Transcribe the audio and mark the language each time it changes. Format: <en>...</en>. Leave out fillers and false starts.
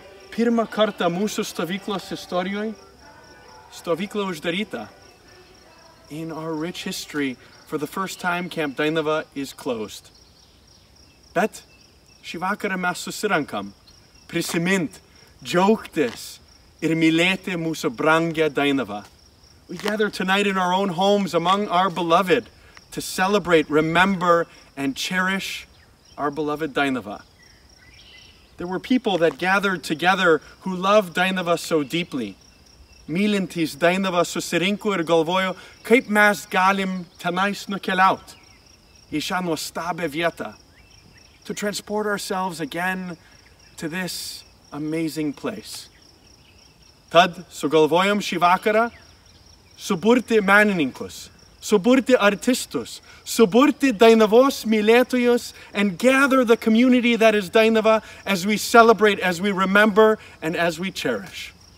<lt>Pirmą kartą mūsų stovyklos istorijoje stovykla uždaryta.</lt> <en>In our rich history, for the first time, Camp Dainava is closed.</en> <lt>Bet šį vakarą mes susirankam prisimint, džiaugtis ir mylėti mūsų brangę Dainavą.</lt> <en>We gather tonight in our own homes among our beloved to celebrate, remember, and cherish our beloved Dainava. There were people that gathered together who loved Dainava so deeply.</en> <lt>Mylintys Dainava susirinko ir galvojo, kaip mes galim tenais nukeliaut į šią nuostabią vietą,</lt> <en>to transport ourselves again to this amazing place.</en> <lt>Tad sugalvojom šį vakarą suburti menininkus, suburti artistus, suburti Dainavos mylėtojus,</lt> <en>and gather the community that is Dainava as we celebrate, as we remember, and as we cherish.</en>